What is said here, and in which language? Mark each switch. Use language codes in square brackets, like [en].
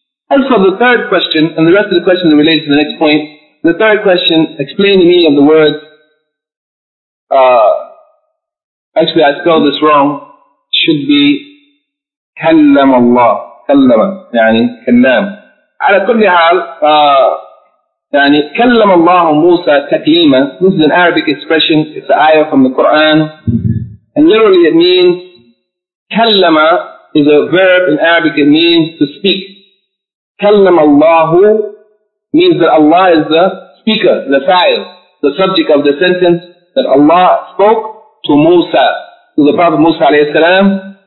[en] As for the third question, and the rest of the question is related to the next point, the third question, explain the meaning of the word, actually I spelled this wrong, should be Kallamallah, Kallama, yani Kallam. [ar] على كل حال, يعني كلم الله موسى تكليما. [en] This is an Arabic expression. It's an ayah from the Quran, and literally it means Kallama is a verb in Arabic, it means to speak. Kallama Allahu means that Allah is the speaker, the fa'il, the subject of the sentence that Allah spoke to Musa, to the Prophet Musa alayhi salam.